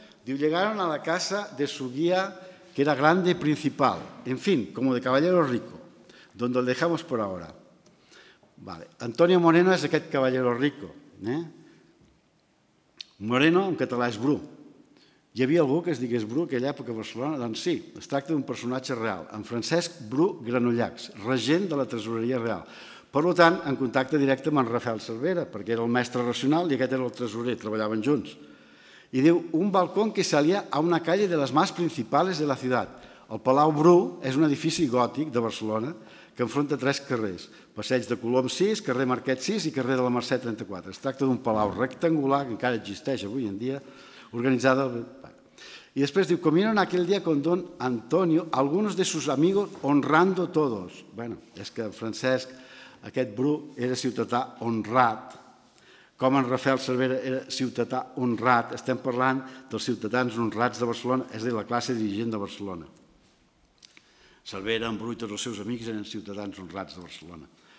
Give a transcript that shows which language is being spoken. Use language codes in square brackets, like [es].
[es] Diu, llegaron a la casa de su guía, que era grande y principal, en fin, como de caballero rico, donde lo dejamos por ahora. [ca] Vale. Antonio Moreno és aquest caballero rico. Moreno, en català, és Bru. Hi havia algú que es digués Bru aquella època a Barcelona? Doncs sí, es tracta d'un personatge real, en Francesc Bru Granollacs, regent de la Tresoreria Real. Per tant, en contacte directe amb en Rafael Cervera, perquè era el mestre racional i aquest era el tresorer, treballaven junts. I diu, [es] un balcón que salia a una calle de les más principales [ca] de la ciutat. El Palau Bru és un edifici gòtic de Barcelona que enfronta tres carrers. Passeig de Colom 6, carrer Marquet 6 i carrer de la Mercè 34. Es tracta d'un palau rectangular que encara existeix avui en dia, organitzat. I després diu, [es] comieron aquel día con don Antonio algunos de sus amigos honrando todos. [ca] Bueno, és que Francesc, aquest Bru, era ciutadà honrat, com en Rafael Cervera era ciutadà honrat, estem parlant dels ciutadans honrats de Barcelona, és a dir, la classe dirigent de Barcelona. Cervera, en Bru i tots els seus amics eren ciutadans honrats de Barcelona.